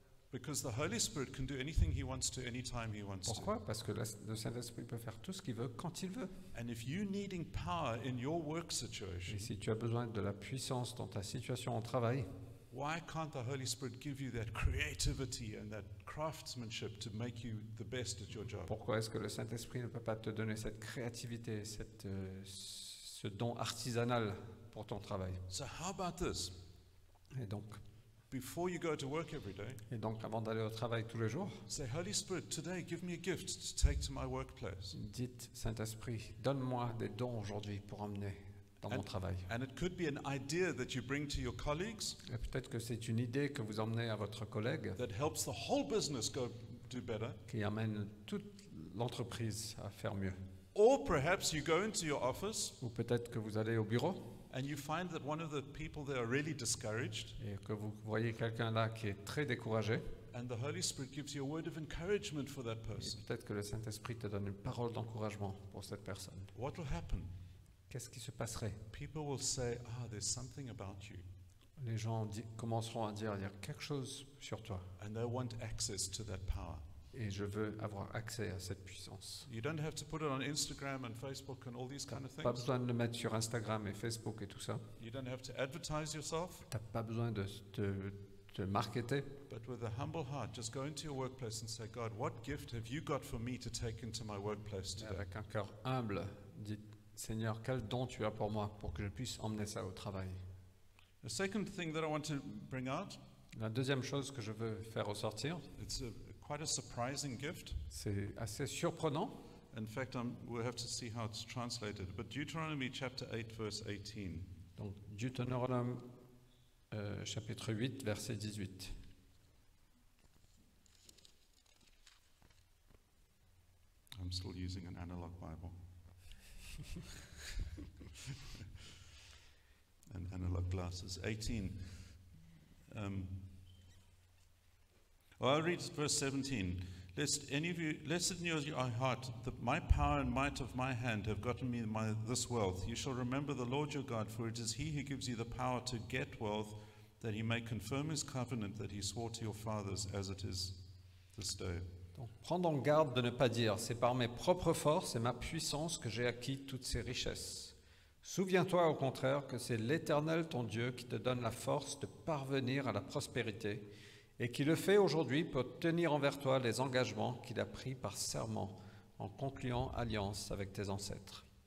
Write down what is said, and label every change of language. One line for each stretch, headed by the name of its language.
English: Because the Holy Spirit can do anything he wants to anytime he wants.
French: Pourquoi? Parce que le Saint-Esprit peut faire tout ce qu'il veut quand il veut.
English: And if you needing power in your work situation.
French: Et si tu as besoin de la puissance dans ta situation au travail.
English: Why can't the Holy Spirit give you that creativity and that craftsmanship to make you the best at your job?
French: Pourquoi est-ce que le Saint-Esprit ne peut pas te donner cette créativité, ce don artisanal pour ton travail?
English: So how about this?
French: Et donc
English: before you go to work every day.
French: Et donc avant d'aller au travail tous les jours.
English: Say, "Holy Spirit, today give me a gift to take to my workplace."
French: Dites, Saint-Esprit, donne-moi des dons aujourd'hui pour emmener dans mon travail.
English: And it could be an idea that you bring to your colleagues.
French: Et peut-être que c'est une idée que vous emmenez à votre collègue.
English: That helps the whole business go do better.
French: Qui amène toute l'entreprise à faire mieux.
English: Or perhaps you go into your office.
French: Ou peut-être que vous allez au bureau.
English: And you find that one of the people there are really discouraged.
French: Et que vous voyez quelqu'un là qui est très découragé.
English: And the Holy Spirit gives you a word of encouragement for that person.
French: Et peut-être que le Saint-Esprit te donne une parole d'encouragement pour cette personne.
English: What will happen?
French: Qu'est-ce qui se passerait?
English: People will say, "Ah, there's something about you."
French: Les gens commenceront à dire, il y a quelque chose sur toi.
English: And they want access to that power.
French: Et je veux avoir accès à cette puissance.
English: You don't have to put it on Instagram and Facebook and all these kind of things.
French: Pas besoin de le mettre sur Instagram et Facebook et tout ça.
English: You don't have to advertise yourself.
French: T'as pas besoin de marketer.
English: But with a humble heart, just go into your workplace and say, God, what gift have you got for me to take into my workplace today?
French: Avec un cœur humble, dites, Seigneur, quel don tu as pour moi pour que je puisse emmener ça au travail.
English: The second thing that I want to bring out.
French: La deuxième chose que je veux faire ressortir.
English: It's quite a surprising gift.
French: C'est assez surprenant.
English: In fact, we'll have to see how it's translated. But Deuteronomy chapter 8, verse 18.
French: Donc Deutéronome chapitre 8, verset 18.
English: I'm still using an analog Bible. And analog glasses. 18. Well, I'll read verse 17. Lest any of you, lest in your heart, that my power and might of my hand have gotten me this wealth, you shall remember the Lord your God, for it is he who gives you the power to get wealth, that he may confirm his covenant that he swore to your fathers as it is this day.
French: Donc, prendons garde de ne pas dire, c'est par mes propres forces et ma puissance que j'ai acquis toutes ces richesses. Souviens-toi au contraire que c'est l'Éternel ton Dieu qui te donne la force de parvenir à la prospérité, et qui le fait aujourd'hui pour tenir envers toi les engagements qu'il a pris par serment en concluant alliance avec tes ancêtres.